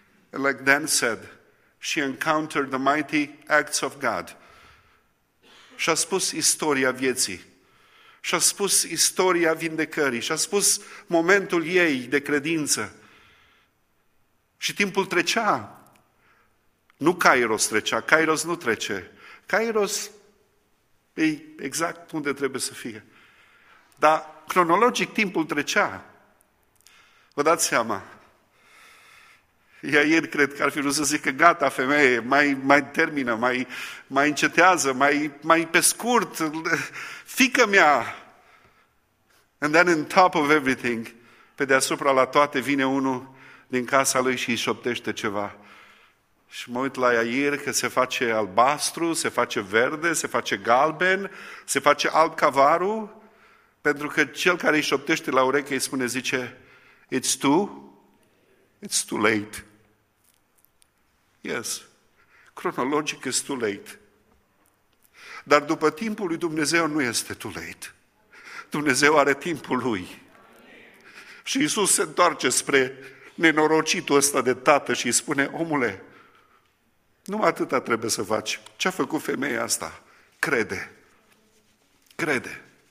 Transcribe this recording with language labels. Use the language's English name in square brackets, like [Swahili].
[English] Like Dan said, she encountered the mighty acts of God. [Romanian] Și a spus istoria vieții. Și a spus istoria vindecării. Și a spus momentul ei de credință. Și timpul trecea. Nu Kairos trecea. Kairos nu trece. Kairos e exact unde trebuie să fie. Dar cronologic timpul trecea. Vă dați seama? Iair cred că ar fi vrut să zică, gata, femeie, mai termină, mai încetează, mai pe scurt, fică mea. And then on top of everything, pe deasupra la toate, vine unul din casa lui și îi șoptește ceva. Și mă uit la Iair că se face albastru, se face verde, se face galben, se face alb ca varul, pentru că cel care îi șoptește la ureche îi spune, zice, it's too late. [English] Yes, cronologic is too late. [Romanian] Dar după timpul lui Dumnezeu nu este too late. Dumnezeu are timpul lui. Și Iisus se întoarce spre nenorocitul ăsta de tată și îi spune, omule, numai atâta trebuie să faci. Ce-a făcut femeia asta? Crede. Crede.